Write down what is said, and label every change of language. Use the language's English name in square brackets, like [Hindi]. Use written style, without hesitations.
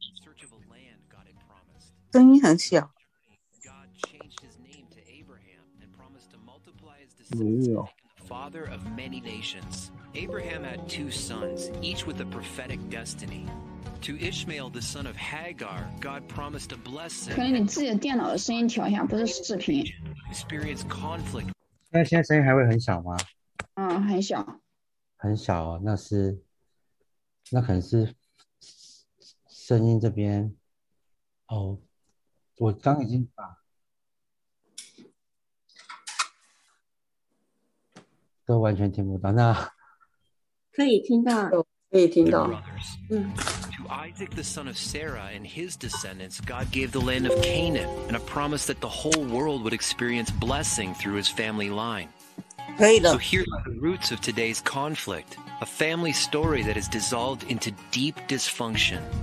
[English] Search of a land God had promised. [Chinese] 声音很小。 [English] God changed his name to Abraham and promised to multiply his descendants, the father of many nations. Abraham had two sons, each with a prophetic destiny. To Ishmael, the son of Hagar, God promised a blessing. [Chinese] 可能你自己的电脑的声音调一下，不是视频。 [English] Experience conflict. [Chinese] 那现在声音还会很小吗？很小。很小哦，那是，那可能是。声音这边，哦，我刚已经把，都完全听不到。那可以听到，可以听到。 [English] To Isaac, the son of Sarah, and his descendants, God gave the land of Canaan and a promise that the whole world would experience blessing through his family line. [Chinese] 可以的。 [English] So here are the roots of today's conflict, a family story that has dissolved into deep dysfunction.